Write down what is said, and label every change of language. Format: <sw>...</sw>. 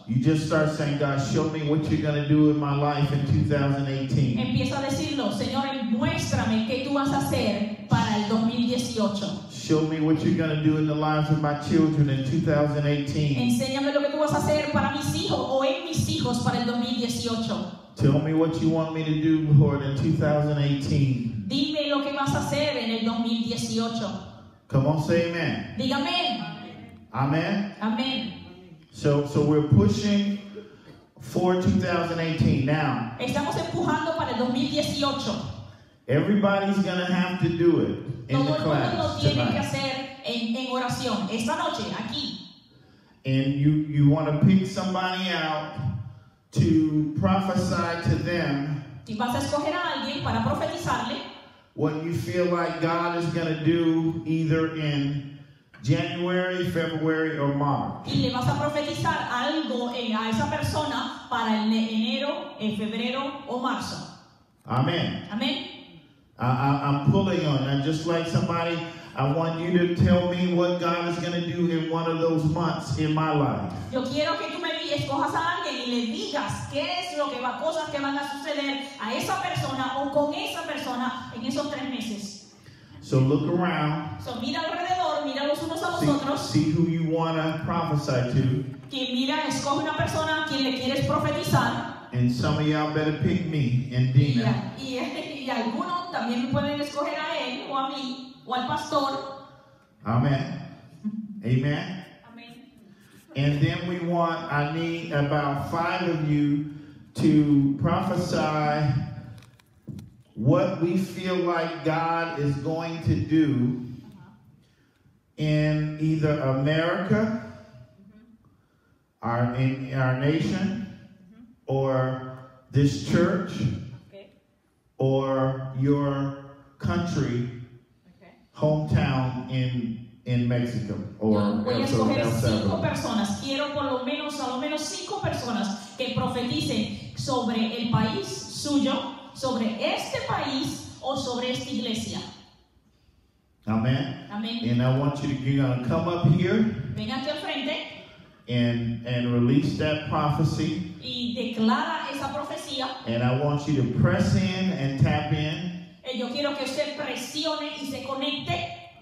<en>You just start saying, God, show me what you're going to do in my life in 2018.</en> <es>Empieza a decirlo, Señor, muéstrame qué tú vas a hacer para el 2018.</es> <en>Show me what you're going to do in the lives of my children in 2018.</en> <es>Enséñame lo que tú vas a hacer para mis hijos o en mis hijos para el 2018.</es> <en>Tell me what you want me to do, Lord, in 2018.</en> <es>Dime lo que vas a hacer en el 2018.</es> <en>Come on, say amen.</en> <es>Dígame.</es> <en>Amen. Amen. So we're pushing for 2018 now.</en> <es>Estamos empujando para el 2018.</es> <en>Everybody's gonna have to do it in</en> <es>todo</es> <en>the class tonight.</en> <es>Todo el mundo tiene que hacer en oración esta noche aquí.</es> <en>And you want to pick somebody out to prophesy to them.</en> <es>Y vas a escoger a alguien para profetizarle.</es> <en>What you feel like God is gonna do either in January, February, or March.</en> <es>Y le vas a profetizar algo a esa persona para el enero, el febrero, o marzo.</es> <en>Amen. Amen. I'm pulling on. I just like somebody. I want you to tell me what God is going to do in one of those months in my life.</en> <es>Yo quiero que tú me escojas a alguien y le digas qué es lo que va, cosas que van a suceder a esa persona o con esa persona en esos tres meses.</es> <en>So look around.</en> <es>So mira alrededor, mira los unos a los otros.</es> <en>See who you want to prophesy to.</en> <es>Que mira, escoge una persona a quien le quieres profetizar.</es> <en>And some of y'all better pick me and Dina.</en> <es>Y algunos también pueden escoger a él o a mí o al pastor.</es> <en>Amen. Amen. Amen. And then I need about 5 of you to prophesy what we feel like God is going to do in either America, mm-hmm. our nation, mm-hmm. or this church, okay. or your country, okay. hometown in Mexico, or</en> <es>El Salvador. Voy a escoger 5 personas. Quiero por lo menos 5 personas que profeticen sobre el país suyo, sobre este país o sobre esta iglesia.</es> <en>Amen. Amen. And I want you to you're gonna come up here.</en> <es>Ven aquí al frente.</es> <en>And release that prophecy.</en> <es>Y declara esa profecía.</es> <en>And I want you to press in and tap in.</en> <es>Y yo quiero que usted presione y se conecte.</es>